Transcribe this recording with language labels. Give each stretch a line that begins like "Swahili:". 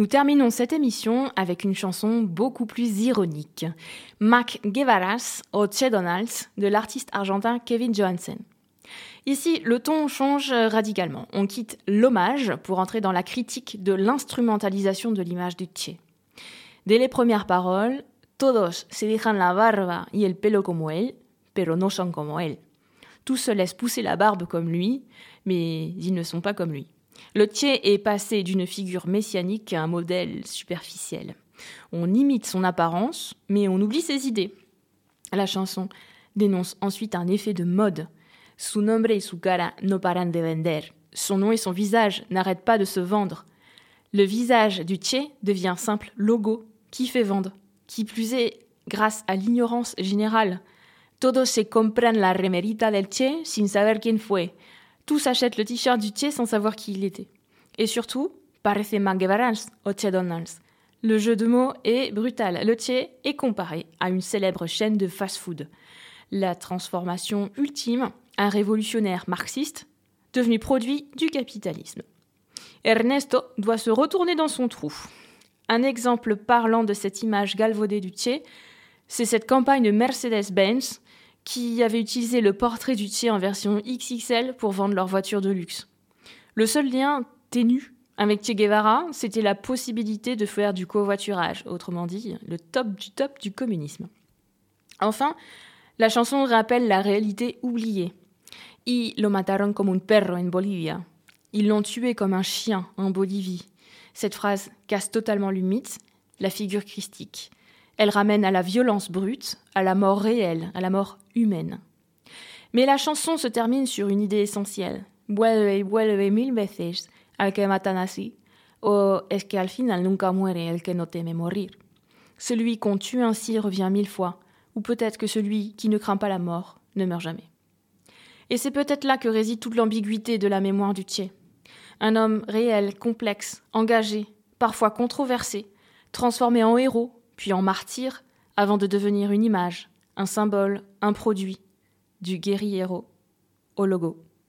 French: Nous terminons cette émission avec une chanson beaucoup plus ironique. Mac Guevara's O Che Donald's de l'artiste argentin Kevin Johansen. Ici, le ton change radicalement. On quitte l'hommage pour entrer dans la critique de l'instrumentalisation de l'image du Che.
Spanish: Dès les premières paroles, todos se dejan la barba y el pelo como él, pero no son como él.
French: Tous se laissent pousser la barbe comme lui, mais ils ne sont pas comme lui. Le Che est passé d'une figure messianique à un modèle superficiel. On imite son apparence, mais on oublie ses idées. La chanson dénonce ensuite un effet de mode.
Spanish: Su nombre y su cara no paran de vender.
French: Son nom et son visage n'arrêtent pas de se vendre. Le visage du Che devient simple logo qui fait vendre. Qui plus est, grâce à l'ignorance générale.
Spanish: Todos se compran la remerita del Che sin saber quién fue.
French: Tous achètent le t-shirt du Che sans savoir qui il était. Et surtout, parece Mac Guevara's O Che Donald's. Le jeu de mots est brutal. Le Che est comparé à une célèbre chaîne de fast-food. La transformation ultime, un révolutionnaire marxiste devenu produit du capitalisme. Ernesto doit se retourner dans son trou. Un exemple parlant de cette image galvaudée du Che, c'est cette campagne de Mercedes-Benz qui avait utilisé le portrait du Che en version XXL pour vendre leur voiture de luxe. Le seul lien ténu avec Che Guevara, c'était la possibilité de faire du covoiturage, autrement dit, le top du communisme. Enfin, la chanson rappelle la réalité oubliée.
Spanish: Y lo mataron como un perro en Bolivia.
French: Ils l'ont tué comme un chien en Bolivie. Cette phrase casse totalement le mythe, la figure christique. Elle ramène à la violence brute, à la mort réelle, à la mort humaine. Mais la chanson se termine sur une idée essentielle.
Spanish: Vuelve, vuelve mil veces al que matan así. O es que al final nunca muere el que no teme morir.
French: Celui qu'on tue ainsi revient mille fois. Ou peut-être que celui qui ne craint pas la mort ne meurt jamais. Et c'est peut-être là que réside toute l'ambiguïté de la mémoire du Che. Un homme réel, complexe, engagé, parfois controversé, transformé en héros, puis en martyr, avant de devenir une image, un symbole, un produit, du guerriero au logo.